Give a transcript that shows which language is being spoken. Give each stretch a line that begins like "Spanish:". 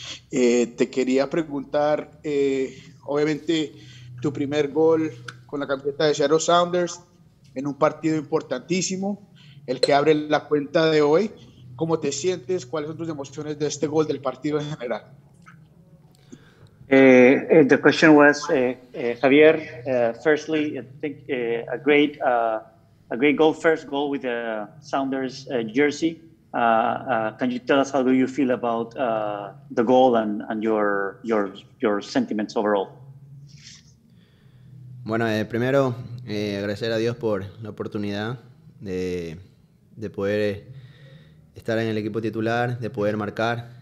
Spanish: Te quería preguntar, obviamente, tu primer gol con la camiseta de Seattle Sounders en un partido importantísimo, el que abre la cuenta de hoy. ¿Cómo te sientes? ¿Cuáles son tus emociones de este gol del partido en general?
English: The question was, Javier, firstly, I think a great goal, first goal with the Sounders jersey. Can you tell us how do you feel about the goal and your sentiments overall?
Spanish: Bueno, primero agradecer a Dios por la oportunidad de poder estar en el equipo titular, de poder marcar.